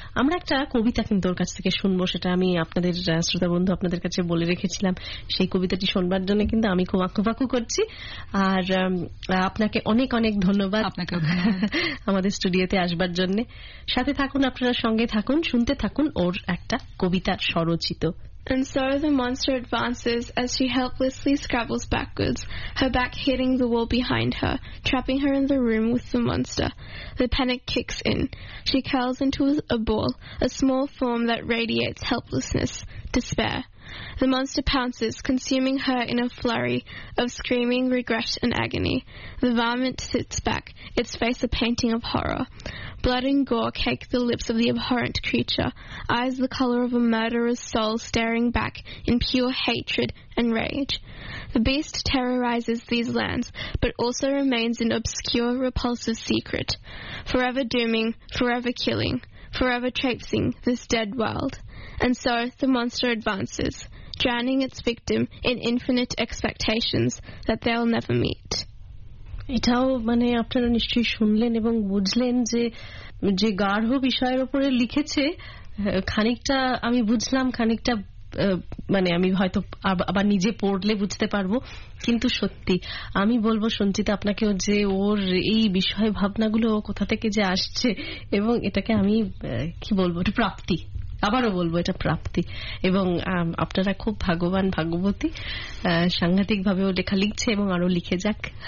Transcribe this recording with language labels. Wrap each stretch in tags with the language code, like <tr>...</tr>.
<bn>আমরা একটা কবিতা কিন্তু ওর কাছ থেকে শুনবো, সেটা আমি আপনাদের শ্রোতা বন্ধু আপনাদের কাছে বলে রেখেছিলাম, সেই কবিতাটি শুনবার জন্য কিন্তু আমি খুব আকুপাকু করছি। আর আপনাকে অনেক অনেক ধন্যবাদ আপনাকে আমাদের স্টুডিওতে আসবার জন্য। সাথে থাকুন, আপনারা সঙ্গে থাকুন, শুনতে থাকুন ওর একটা কবিতা স্বরচিত।</bn> <en>And so the monster advances as she helplessly scrabbles backwards, her back hitting the wall behind her, trapping her in the room with the monster. The panic kicks in. She curls into a ball, a small form that radiates helplessness, despair. The monster pounces, consuming her in a flurry of screaming regret and agony. The varmint sits back, its face a painting of horror. Blood and gore cake the lips of the abhorrent creature, eyes the color of a murderer's soul staring back in pure hatred and rage. The beast terrorizes these lands, but also remains an obscure, repulsive secret, forever dooming, forever killing, forever traipsing this dead world. And so the monster advances, drowning its victim in infinite expectations that they'll never meet.</en> <bn>এটাও মানে আপনারা নিশ্চয়ই শুনলেন এবং বুঝলেন যে যে গাঢ় বিষয়ের উপরে লিখেছে, খানিকটা আমি বুঝলাম, খানিকটা মানে আমি হয়তো আবার নিজে পড়লে বুঝতে পারবো, কিন্তু সত্যি আমি বলবো সঞ্চিতা আপনাকেও যে ওর এই বিষয় ভাবনাগুলো কোথা থেকে যে আসছে, এবং এটাকে আমি কি বলবো, একটা প্রাপ্তি, আবারও বলবো এটা প্রাপ্তি, এবং আপনারা খুব ভাগবান ভাগবতী, সাংঘাতিকভাবে ও লেখা লিখছে এবং আরো লিখে যাক।</bn>